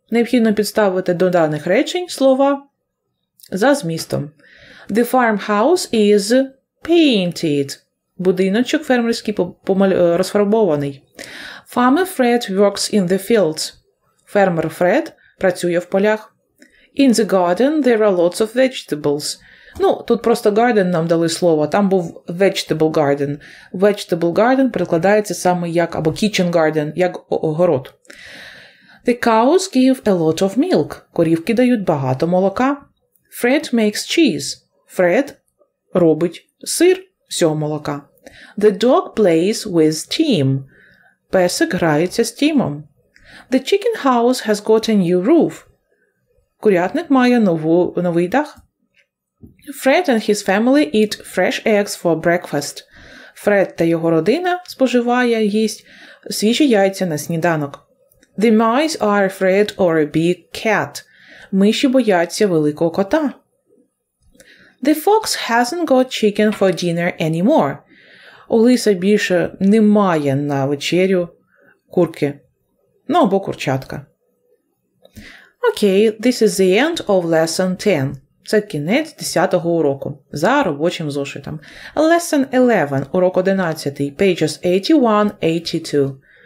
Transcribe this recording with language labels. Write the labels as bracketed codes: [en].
[uk] Необхідно підставити до даних речень слова за змістом. [en] The farmhouse is painted. [uk] Будиночок фермерський розфарбований. [en] Farmer Fred works in the fields. [uk] Фермер Фред працює в полях. [en] In the garden there are lots of vegetables. [uk] Ну, тут просто garden нам дали слово. Там був vegetable garden. Vegetable garden перекладається саме як, або kitchen garden, як огород. [en] The cows give a lot of milk. [uk] Корівки дають багато молока. [en] Fred makes cheese. [uk] Fred робить сир з цього молока. [en] The dog plays with Tim. [uk] Песик грається з Тімом. [en] The chicken house has got a new roof. [uk] Курятник має новий дах. [en] Fred and his family eat fresh eggs for breakfast. [uk] Фред та його родина споживає їсть свіжі яйця на сніданок. [en] The mice are afraid of a big cat. [uk] Миші бояться великого кота. [en] The fox hasn't got chicken for dinner anymore. [uk] У лиса більше немає на вечерю курки. Ну, або курчатка. [en] Okay, this is the end of lesson 10. [uk] Це кінець 10-го уроку за робочим зошитом. [en] Lesson 11, [uk] урок 11, [en] pages 81-82.